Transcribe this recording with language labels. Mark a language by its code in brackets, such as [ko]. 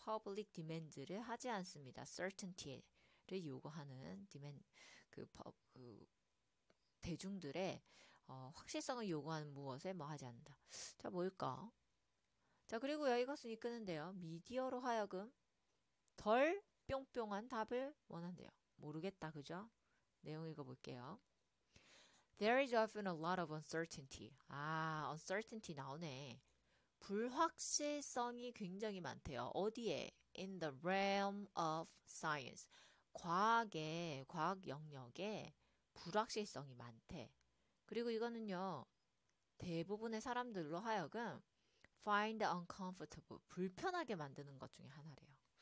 [ko] public demand를 하지 않습니다. certainty를 요구하는 demand 대중들의 확실성을 요구하는 무엇에 뭐 하지 않는다. 자, 뭘까? 자, 그리고 이것은 이끄는데요. 미디어로 하여금 덜 뿅뿅한 답을 원한대요. 모르겠다, 그죠? 내용 읽어볼게요. [en] There is often a lot of uncertainty. [ko] 아, uncertainty 나오네. 불확실성이 굉장히 많대요. 어디에? [en] In the realm of science. [ko] 과학 영역에 불확실성이 많대. 그리고 이거는요, 대부분의 사람들로 하여금 [en] find uncomfortable, [ko] 불편하게 만드는 것 중에 하나래요.